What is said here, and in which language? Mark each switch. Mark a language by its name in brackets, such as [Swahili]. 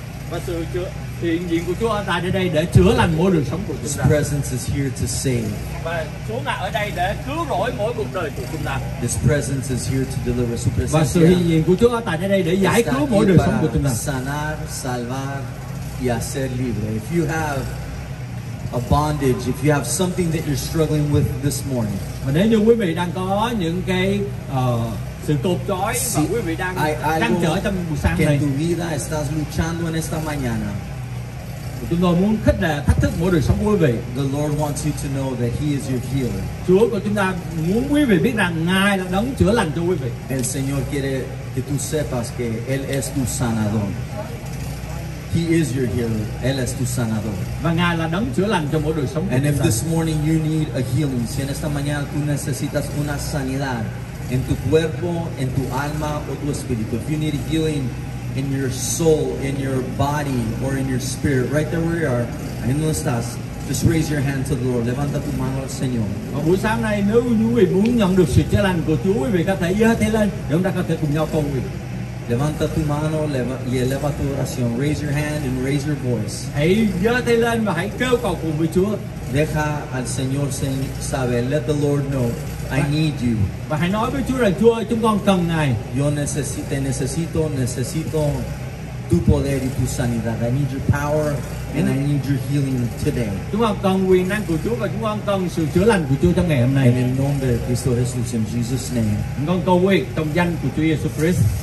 [Vietnamese] Và sự hiện diện của Chúa ở tại đây để chữa lành mỗi đời sống của chúng ta. [English] His presence is here to save. [Vietnamese] Và Chúa ngài ở đây để cứu rỗi mỗi cuộc đời của chúng ta. [English] His presence is here to deliver. [Spanish] Su presencia. [Vietnamese] Và sự hiện diện của Chúa ở tại đây để giải cứu mỗi đời sống của chúng ta. [Spanish] Sanar, salvar y hacer libre. [English] If you have a bondage, if you have something that you're struggling with this morning. [Vietnamese] Và nếu như quý vị đang có những cái sự cột trói và quý vị đang trăn trở trong buổi sáng này. [Spanish] Que tu vida estás luchando en esta mañana. [Vietnamese] Chúng tôi muốn khích lệ thách thức mỗi đời sống quý vị. [English] The Lord wants you to know that He is your healer. [Vietnamese] Chúa của chúng ta muốn quý vị biết rằng Ngài là đấng chữa lành cho quý vị. [Spanish] El Señor quiere que tú sepas que Él es tu sanador. [English] He is your healer. [Spanish] Él es tu sanador. [Vietnamese] Và Ngài là đấng chữa lành cho mỗi đời sống. [English] And if this morning you need a healing, [Spanish] si en esta mañana tú necesitas una sanidad en tu cuerpo, en tu alma o tu espíritu. [English] If you need healing in your soul, in your body, or in your spirit, right there where you are, [Spanish] ahí donde estás, [English] just raise your hand to the Lord. [Spanish] Levanta tu mano al Señor. [Vietnamese] Và buổi sáng nay nếu quý vị muốn nhận được sự chữa lành của Chúa, quý vị có thể giơ tay lên để chúng ta có thể cùng nhau cầu nguyện. [Spanish] Levanta tu mano, y eleva tu oración. [English] Raise your hand and raise your voice. [Vietnamese] Hãy giơ tay lên và hãy kêu cầu cùng với Chúa. [Spanish] Deja al Señor saber. [English] Let the Lord know. I need you. [Vietnamese] Và hãy nói với Chúa rằng Chúa ơi, chúng con cần Ngài. [Spanish] Yo necesito, necesito tu poder y tu sanidad. [English] I need your power and I need your healing today. [Vietnamese] Chúng con cần quyền năng của Chúa và chúng con cần sự chữa lành của Chúa trong ngày hôm nay. [English] In the name of Christ Jesus, in Jesus' name. [Vietnamese] Chúng con cầu nguyện trong danh của Chúa Jesus Christ.